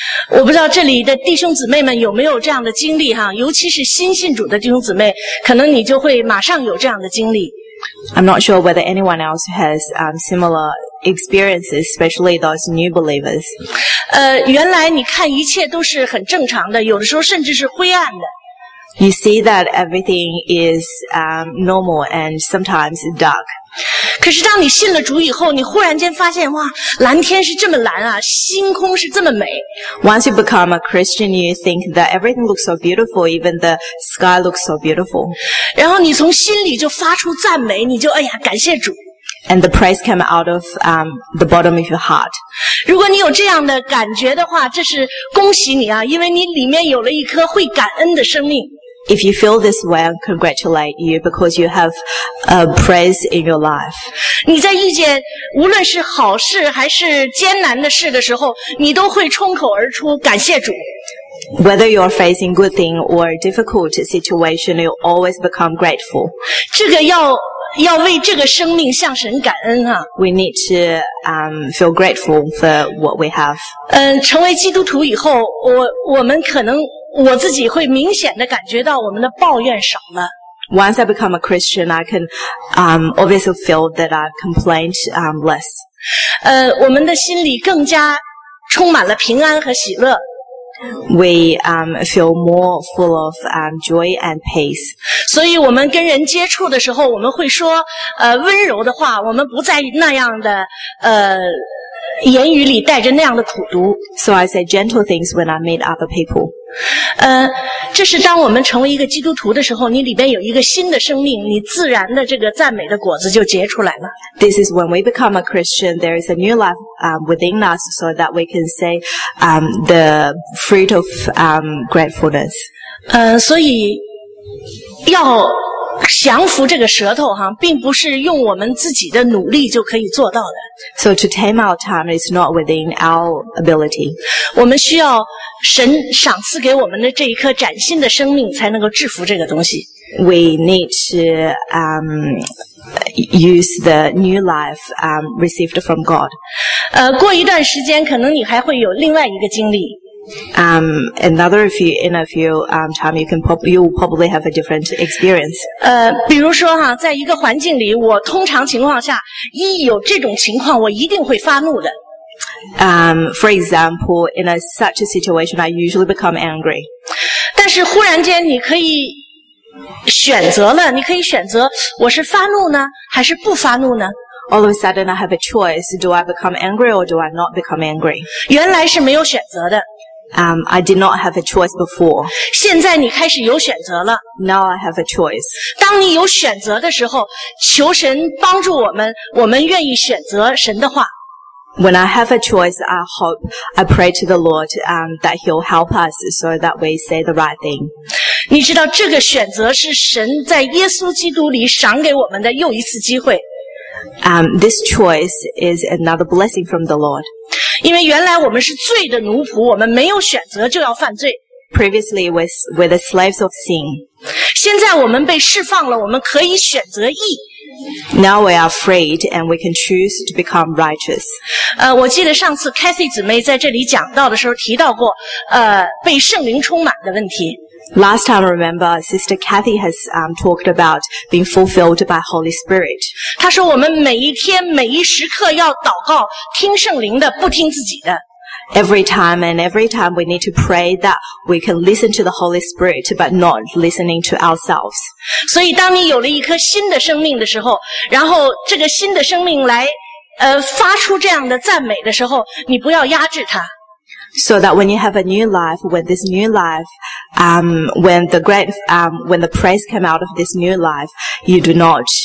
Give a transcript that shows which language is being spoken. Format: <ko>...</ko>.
<zh>我不知道这里的弟兄姊妹们有没有这样的经历哈，尤其是新信主的弟兄姊妹，可能你就会马上有这样的经历。</zh> <en>I'm not sure whether anyone else has similar experiences, especially those new believers.</en> <zh>原来你看一切都是很正常的，有的时候甚至是灰暗的。</zh> <en>You see that everything is normal and sometimes dark.</en> <zh>可是当你信了主以后，你忽然间发现，哇，蓝天是这么蓝啊，星空是这么美。</zh> <en>Once you become a Christian, you think that everything looks so beautiful, even the sky looks so beautiful.</en> <zh>然后你从心里就发出赞美，你就哎呀，感谢主。</zh> <en>And the praise came out of the bottom of your heart.</en> <zh>如果你有这样的感觉的话，这是恭喜你啊，因为你里面有了一颗会感恩的生命。</zh> <en>If you feel this way, I congratulate you because you have a praise in your life.</en> <zh>你在遇见无论是好事还是艰难的事的时候，你都会冲口而出感谢主。</zh> <en>Whether you're facing good thing or difficult situation, you always become grateful.</en> <zh>这个要为这个生命向神感恩啊。</zh> <en>We need to feel grateful for what we have.</en> <zh>成为基督徒以后，我自己会明显的感觉到我们的抱怨少了。</zh> <en>Once I become a Christian, I can obviously feel that I complained less.</en> <zh>我们的心里更加充满了平安和喜乐。</zh> <en>We feel more full of joy and peace.</en> <zh>所以我们跟人接触的时候，我们会说温柔的话，我们不再那样的言语里带着那样的苦毒。</zh> <en>So I say gentle things when I meet other people.</en> <zh>这是当我们成为一个基督徒的时候，你里边有一个新的生命，你自然的这个赞美的果子就结出来了。</zh> <en>This is when we become a Christian, there is a new life within us so that we can say the fruit of gratefulness.</en> <zh>所以要降服这个舌头哈，并不是用我们自己的努力就可以做到的。</zh> <en>So to tame our tongue is not within our ability.</en> <zh>我们需要神赏赐给我们的这一颗崭新的生命，才能够制服这个东西。</zh> <en>We need to use the new life received from God.</en> <zh>过一段时间，可能你还会有另外一个经历。</zh> <en>In a few time, you will probably have a different experience.</en> <zh>比如说哈，在一个环境里，我通常情况下，一有这种情况，我一定会发怒的。</zh> <en>For example, in such a situation, I usually become angry.</en> <zh>但是忽然间，你可以选择了，你可以选择，我是发怒呢，还是不发怒呢？</zh> <en>All of a sudden, I have a choice: do I become angry or do I not become angry?</en> <zh>原来是没有选择的。</zh> <en>I did not have a choice before.</en> <zh>现在你开始有选择了。</zh> <en>Now I have a choice.</en> <zh>当你有选择的时候，求神帮助我们，我们愿意选择神的话。</zh> <en>When I have a choice, I pray to the Lord that He'll help us so that we say the right thing.</en> <zh>你知道这个选择是神在耶稣基督里赏给我们的又一次机会。</zh> <en>This choice is another blessing from the Lord.</en> <zh>因为原来我们是罪的奴仆，我们没有选择就要犯罪。</zh> <en>Previously, we're the slaves of sin.</en> <zh>现在我们被释放了，我们可以选择义。</zh> <en>Now we are freed and we can choose to become righteous.</en> <zh>我记得上次 Cathy 姊妹在这里讲到的时候提到过被圣灵充满的问题。</zh> <en>Last time, remember, Sister Cathy has talked about being fulfilled by Holy Spirit.</en> <zh>她说我们每一天每一时刻要祷告，听圣灵的，不听自己的。</zh> <en>Every time we need to pray that we can listen to the Holy Spirit but not listening to ourselves.</en> <zh>所以当你有了一颗新的生命的时候，然后这个新的生命来发出这样的赞美的时候，你不要压制它。</zh> <en>So that when you have a new life, when this new life, when the praise come out of this new life, you do not,</en>